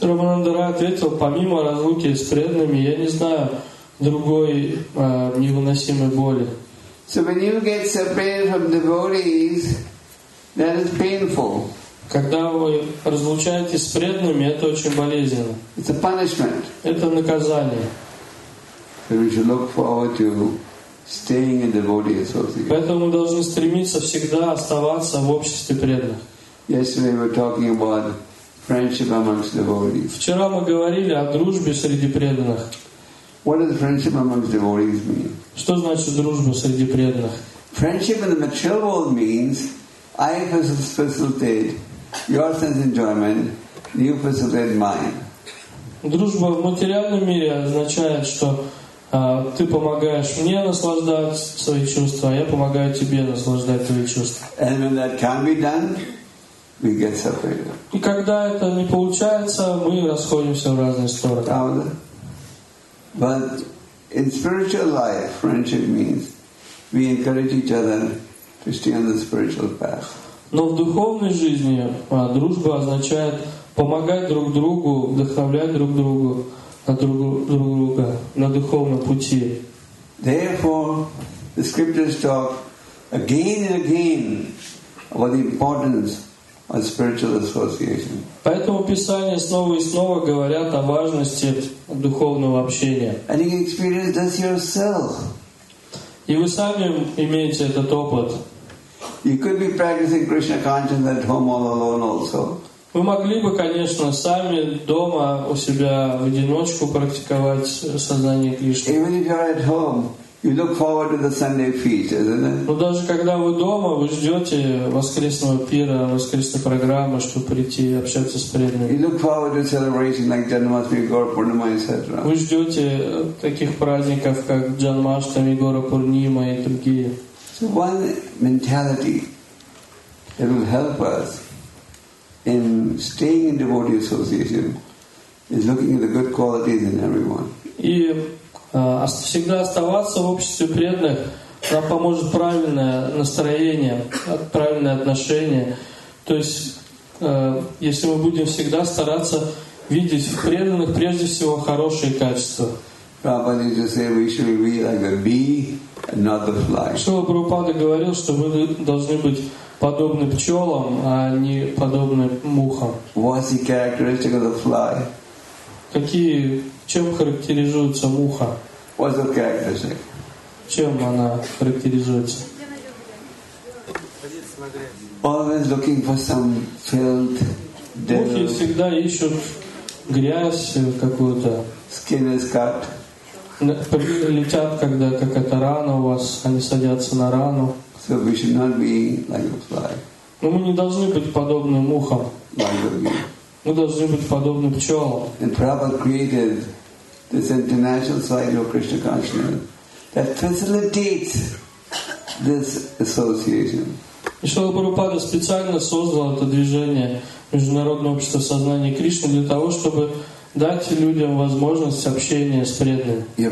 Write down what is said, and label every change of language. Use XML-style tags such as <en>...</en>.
<ru>Рамананда Рай ответил: помимо разлуки с преданными, я не знаю другой невыносимой боли.</ru> <en>So when you get separated from devotees, that is painful.</en> <ru>Когда вы разлучаетесь с преданными, это очень болезненно.</ru> <en>It's a punishment.</en> <ru>Это наказание.</ru> <en>So we should look forward to staying in devotee association.</en> <ru>Поэтому мы должны стремиться всегда оставаться в обществе преданных.</ru> <en>Yesterday we were talking about friendship amongst devotees.</en> <ru>Вчера мы говорили о дружбе среди преданных.</ru> <en>What does friendship amongst devotees mean?</en> <ru>Что значит дружба среди преданных?</ru> <en>Friendship in the material world means I facilitate your sense enjoyment, you facilitate mine.</en> <ru>Дружба в материальном мире означает, что ты помогаешь мне наслаждать свои чувства, а я помогаю тебе наслаждать твои чувства.</ru> <en>And when that can't be done, we get separated.</en> <ru>И когда это не получается, мы расходимся в разные стороны.</ru> <en>But in spiritual life, friendship means we encourage each other to stay on the spiritual path.</en> <ru>Но в духовной жизни дружба означает помогать друг другу, вдохновлять друг друга на друг друга на духовном пути.</ru> <en>Therefore, the scriptures talk again and again about the importance of spiritual association.</en> <ru>Поэтому Писания снова и снова говорят о важности духовного общения.</ru> <en>And you experience this yourself.</en> <ru>И вы сами имеете этот опыт.</ru> <en>You could be practicing Krishna consciousness at home all alone also.</en> <ru>Вы могли бы, конечно, сами дома у себя в одиночку практиковать сознание Кришны.</ru> <en>Even if you're at home, you look forward to the Sunday feast, isn't it?</en> <ru>Но даже когда вы дома, вы ждете воскресного пира, воскресной программы, чтобы прийти и общаться с преданными.</ru> <en>You look forward to celebrations like Janmashtami, Gaura Purnima, etc.</en> <ru>Вы ждете таких праздников, как Джанмаштами, Гора Пурнима и другие.</ru> <en>So one mentality that will help us in staying in devotee association is looking at the good qualities in everyone.</en> <ru>И всегда оставаться в обществе преданных нам поможет правильное настроение, правильное отношение. То есть, если мы будем всегда стараться видеть в преданных прежде всего хорошие качества.</ru> <en>Prabhupada used to say we should be like a bee and not the fly.</en> <ru>Шрила Прабхупада говорил, что мы должны быть подобны пчелам, а не подобны мухам.</ru> <en>What's the characteristic of the fly?</en> <ru>Какие, чем характеризуется муха?</ru> <en>What's the characteristic?</en> <ru>Чем она характеризуется?</ru> <en>Always looking for some filth, dirt.</en> <ru>Мухи всегда ищут грязь какую-то.</ru> <en>Skin is cut.</en> <ru>Прилетят, когда какая-то рана у вас, они садятся на рану.</ru> <en>So we should not be like a fly.</en> <ru>Но мы не должны быть подобны мухам. Мы должны быть подобны пчелам.</ru> <en>And Prabhupada created this international cycle of Krishna consciousness that facilitates this association.</en> <ru>И Шрила Прабхупада специально создал это движение Международное общество сознания Кришны для того, чтобы дать людям возможность общения с преданными.</ru>